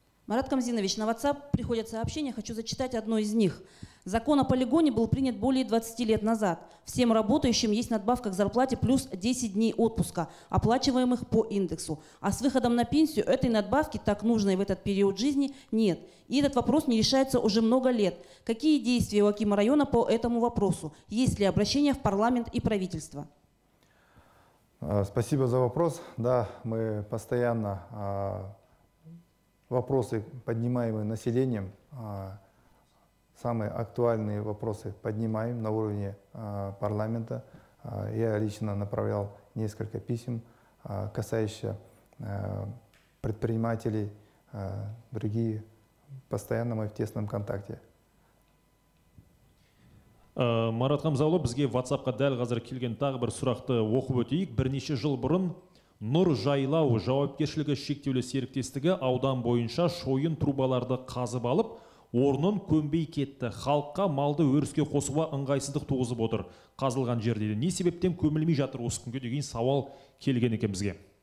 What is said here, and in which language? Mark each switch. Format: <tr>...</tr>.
<ru>Марат Камзинович, на WhatsApp приходят сообщения, хочу зачитать одно из них. Закон о полигоне был принят более 20 лет назад. Всем работающим есть надбавка к зарплате плюс 10 дней отпуска, оплачиваемых по индексу. А с выходом на пенсию этой надбавки, так нужной в этот период жизни, нет. И этот вопрос не решается уже много лет. Какие действия у акима района по этому вопросу? Есть ли обращение в парламент и правительство? Спасибо за вопрос. Да, мы постоянно вопросы, поднимаемые населением, самые актуальные вопросы поднимаем на уровне парламента. Я лично направлял несколько писем, касающихся предпринимателей, другие. Постоянно мы в тесном контакте.</ru> <kk>Марат Қамзаұлы, бізге WhatsApp-қа дәл қазір келген тағы бір сұрақты оқып өтейік. Бірнеше жыл бұрын Нұр Жайлау жауапкершілігі шектеулі серіктестігі аудан бойынша шойын трубаларды қазып алып, орнын көмбей кетті. Халыққа малды өріске қосуға ыңғайсыздық туғызып отыр. Қазылған жерде не себептен көмілмей жатыр осы күнге деген сауал келген екен бізге.</kk>